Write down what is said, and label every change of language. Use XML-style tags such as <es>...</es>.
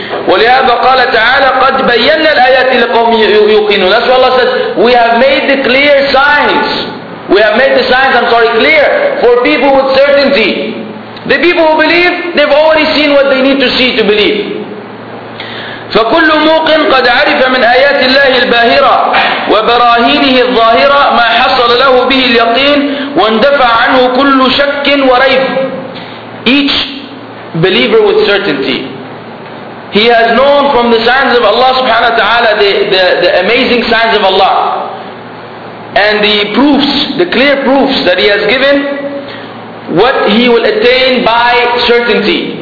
<ar>وَلِهَذَا قَالَ تَعَالَى قَدْ بَيَّنَّا الْآيَاتِ لِقَوْمٍ يُوقِنُونَ.</ar> <en>That's why Allah says, we have made the clear signs. We have made the signs, clear for people with certainty. The people who believe, they've already seen what they need to see to believe.</en> <ar>فكل موقن قد عرف من آيات الله الباهرة وبراهينه الظاهرة ما حصل له به اليقين واندفع عنه كل شك وريب.</ar> <en>Each believer with certainty, he has known from the signs of Allah subhanahu wa ta'ala, the amazing signs of Allah and the proofs, the clear proofs that he has given, what he will attain by certainty.</en>